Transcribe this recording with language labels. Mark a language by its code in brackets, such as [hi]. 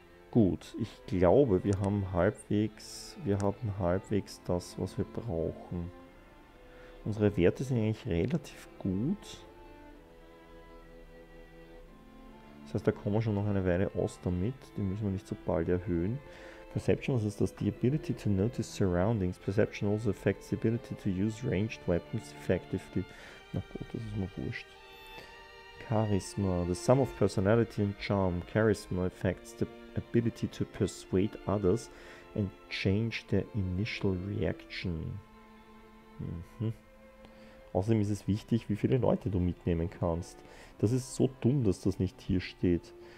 [de] Gut, ich glaube, wir haben halbwegs das, was wir brauchen. Unsere Werte sind eigentlich relativ gut. Das heißt, da kommen wir schon noch eine Weile aus damit. Die müssen wir nicht so bald erhöhen. Perception, was ist das? [en] The ability to notice surroundings. Perception also affects the ability to use ranged weapons effectively. [de] Na gut, das ist mir wurscht. Charisma, [en] the sum of personality and charm. Charisma affects the ability to persuade others and change their initial reaction. [de] Außerdem ist es wichtig, wie viele Leute du mitnehmen kannst. Das ist so dumm, dass das nicht hier steht.